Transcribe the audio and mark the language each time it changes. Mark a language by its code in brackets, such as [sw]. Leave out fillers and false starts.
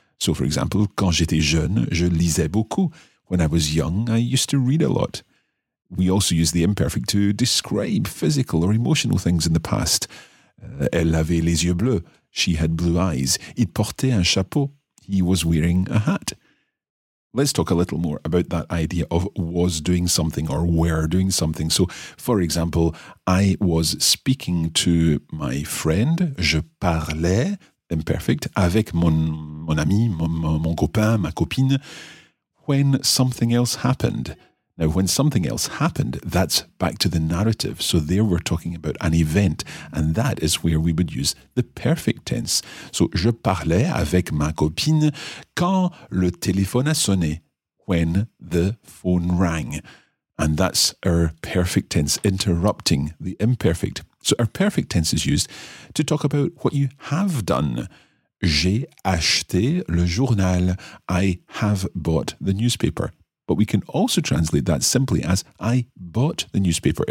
[en] So, for example, [fr] quand j'étais jeune, je lisais beaucoup. [en] When I was young, I used to read a lot. We also use the imperfect to describe physical or emotional things in the past. [fr] Elle avait les yeux bleus. [en] She had blue eyes. [fr] Il portait un chapeau. [en] He was wearing a hat. Let's talk a little more about that idea of was doing something or were doing something. So, for example, I was speaking to my friend. [fr] Je parlais. [en] Imperfect, [fr] avec mon ami, mon copain, ma copine, [en] when something else happened. Now, when something else happened, that's back to the narrative. So there we're talking about an event, and that is where we would use the perfect tense. [fr] So je parlais avec ma copine quand le téléphone a sonné, [en] when the phone rang. And that's our perfect tense, interrupting the imperfect. So our perfect tense is used to talk about what you have done. [fr] J'ai acheté le journal. [en] I have bought the newspaper. But we can also translate that simply as I bought the newspaper.